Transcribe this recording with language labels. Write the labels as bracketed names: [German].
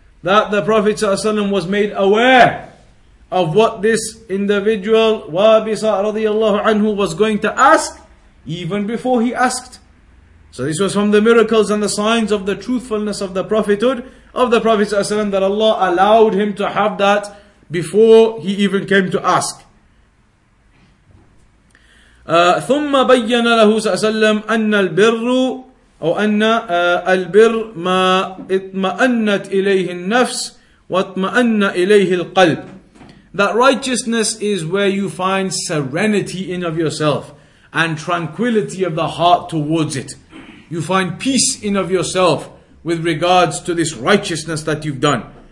[English] That the Prophet ﷺ was made aware of what this individual, وَابِسَ رَضِيَ اللَّهُ عَنْهُ, was going to ask even before he asked. So this was from the miracles and the signs of the truthfulness of the prophethood of the Prophet ﷺ, that Allah allowed him to have that before he even came to ask. [Arabic] ثم بين له صلى الله عليه وسلم أن البر أو أن البر ما اطمأنت إليه النفس واطمأن إليه القلب. [English] That righteousness is where you find serenity in of yourself and tranquility of the heart towards it. You find peace in of yourself with regards to this righteousness that you've done.